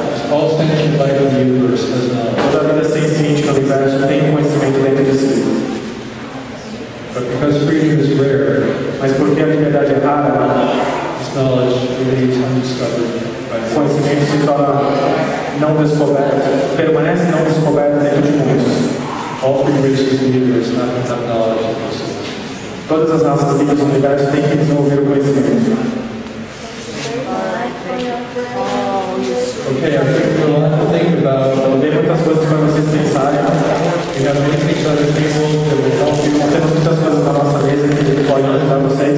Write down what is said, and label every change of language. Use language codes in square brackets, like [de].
[en] All sentient life in the universe has knowledge. [pt] Toda a vida sentiente no universo tem conhecimento dentro de si. [en] But because freedom is rare, [pt] mas porque a liberdade é rara, [en] this knowledge remains undiscovered. [pt] O conhecimento se torna não descoberto, permanece não descoberto dentro de muitos. [en] All three riches in the universe not have that knowledge. [pt] Todas as nossas vidas no universo têm que desenvolver o conhecimento. Ok, acho que eu tenho muitas coisas para vocês pensarem. Temos muitas coisas na nossa mesa que podem ajudar vocês.